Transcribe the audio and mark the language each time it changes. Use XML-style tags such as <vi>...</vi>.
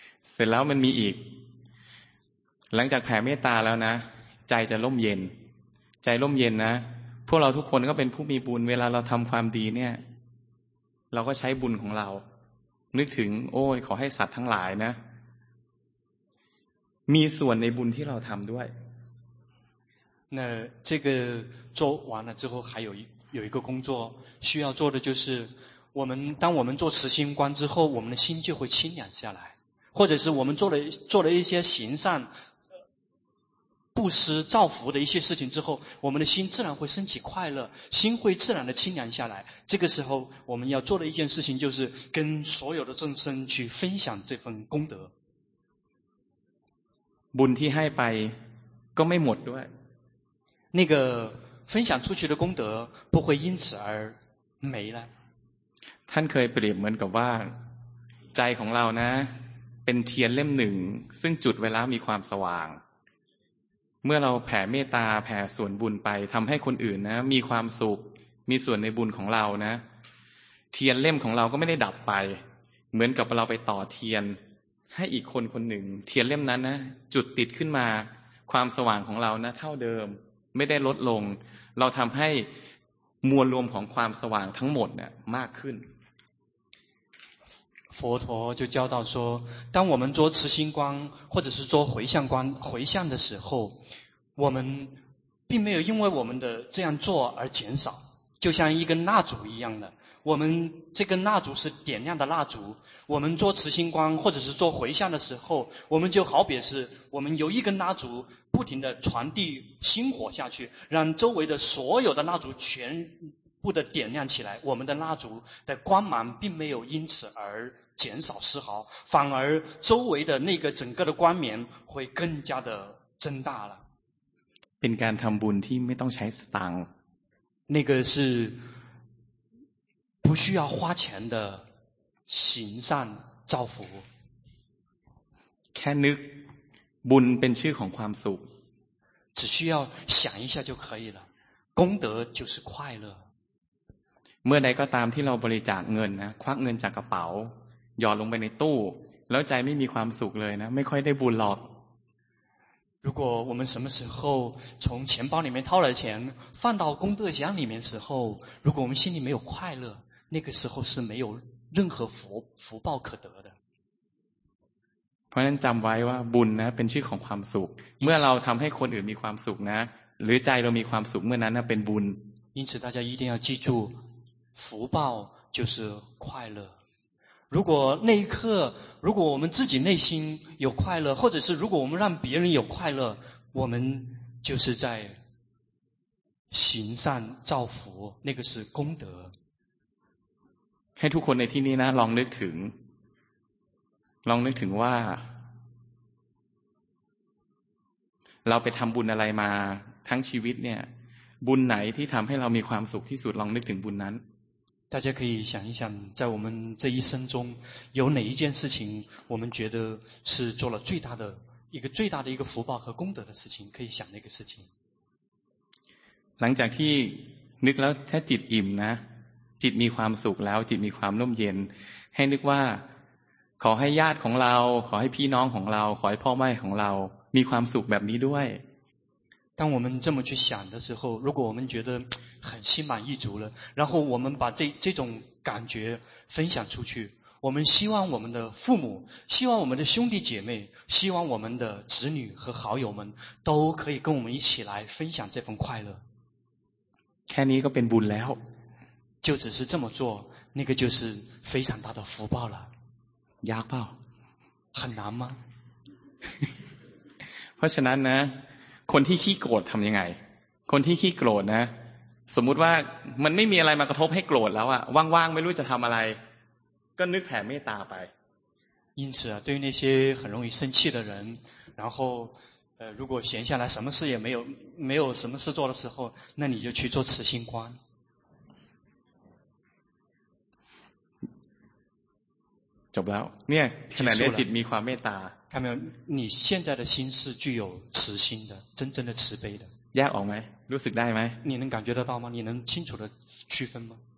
<th>เสร็จแล้วมันมีอีกหลังจากแผ่เมตตาแล้วนะใจจะร่มเย็นใจร่มเย็นนะพวกเราทุกคนก็เป็นผู้มีบุญเวลาเราทำความดีเนี่ยเราก็ใช้บุญของเรานึกถึงโอ้ยขอให้สัตว์ทั้งหลายนะมีส่วนในบุญที่เราทำด้วย</th> <zh>那这个做完了之后还有一个工作需要做的就是我们当我们做慈心观之后我们的心就会清凉下来或者是我们做了一些行善布施造福的一些事情之后我们的心自然会升起快乐心会自然的清凉下来这个时候我们要做的一件事情就是跟所有的众生去分享这份功德</zh> <th>บุญที่ให้ไปก็ไม่หมดด้วย</th> <zh>那个分享出去的功德不会因此而没了</zh> <th>ท่านเคยเปรียบเหมือนกับว่าใจของเรานะเป็นเทียนเล่มหนึ่งซึ่งจุดไว้แล้วมีความสว่างเมื่อเราแผ่เมตตาแผ่ส่วนบุญไปทำให้คนอื่นนะมีความสุขมีส่วนในบุญของเรานะ เทียนเล่มของเราก็ไม่ได้ดับไปเหมือนกับเราไปต่อเทียนให้อีกคนคนหนึ่งเทียนเล่มนั้นนะจุดติดขึ้นมาความสว่างของเรานะเท่าเดิมไม่ได้ลดลงเราทำให้มวลรวมของความสว่างทั้งหมดเนี่ยมากขึ้น</th> <zh>佛陀就教导说当我们做慈心观或者是做回向观回向的时候我们并没有因为我们的这样做而减少就像一根蜡烛一样的我们这根蜡烛是点亮的蜡烛我们做慈心观或者是做回向的时候我们就好比是我们由一根蜡烛不停地传递心火下去让周围的所有的蜡烛全不得点亮起来我们的蜡烛的光芒并没有因此而减少丝毫反而周围的那个整个的光明会更加的增大了</zh> <th>นการทำบุญที่ไม่ต้องใช้สตางค์</th> <zh>那个是不需要花钱的行善造福</zh> <th>แค่นึกบุญเป็นชื่อของความสุข</th> <zh>只需要想一下就可以了功德就是快乐</zh> <th>เมื่อใดก็ตามที่เราบริจาคเงินนะควักเงินจากกระเป๋าหยอดลงไปในตู้แล้วใจไม่มีความสุขเลยนะไม่ค่อยได้บุญหรอก</th> <zh>如果我们什么时候从钱包里面掏了钱放到功德箱里面的时候如果我们心里没有快乐那个时候是没有任何 福报可得的</zh> <th>เพราะฉะนั้นจำไว้ว่าบุญนะเป็นชื่อของความสุขเมื่อเราทำให้คนอื่นมีความสุขนะหรือใจเรามีความสุขเมื่อนั้นนะเป็นบุญ</th> <zh>因此大家一定要记住福报就是快乐如果那一刻如果我们自己内心有快乐或者是如果我们让别人有快乐我们就是在行善造福那个是功德</zh> <th>ให้ทุกคนในที่นี้นะลองนึกถึงลองนึกถึงว่าเราไปทำบุญอะไรมาทั้งชีวิตเนี่ยบุญไหนที่ทำให้เรามีความสุขที่สุดลองนึกถึงบุญนั้น</th> <zh>大家可以想一想在我们这一生中有哪一件事情我们觉得是做了最大的一个最大的一个福报和功德的事情可以想那个事情</zh> <th>หลังจากที่นึกแล้วถ้าจิตอิ่มนะจิตมีความสุขแล้วจิตมีความร่มเย็นให้นึกว่าขอให้ญาติของเราขอให้พี่น้องของเราขอให้พ่อแม่ของเรามีความสุขแบบนี้ด้วย</th> <zh>当我们这么去想的时候如果我们觉得很心满意足了然后我们把这种感觉分享出去我们希望我们的父母希望我们的兄弟姐妹希望我们的子女和好友们都可以跟我们一起来分享这份快乐</zh> <th>แค่นี้ก็เป็นบุญแล้ว</th> <zh>就只是这么做那个就是非常大的福报了</zh> <th>ยากเปล่า</th> <zh>很难吗</zh> <th>เพราะฉะนั้นนะคนที่ขี้โกรธทำยังไงคนที่ขี้โกรธนะสมมุติว่ามันไม่มีอะไรมากระทบให้โกรธแล้วอะว่างๆไม่รู้จะทำอะไรก็นึกแผ่เมตตาไป</th> <zh>因此啊对那些很容易生气的人然后如果闲下来什么事也没有什么事做的时候那你就去做慈心观</zh> <th>จบแล้วเนี่ยขณะนี้จิตมีความเมตตา</th> <zh>看到没有你现在的心是具有慈心的真正的慈悲的</zh> <th>แยกออกไหมรู้สึกได้ไหม</th> <zh>你能感觉得到吗你能清楚的区分吗</zh>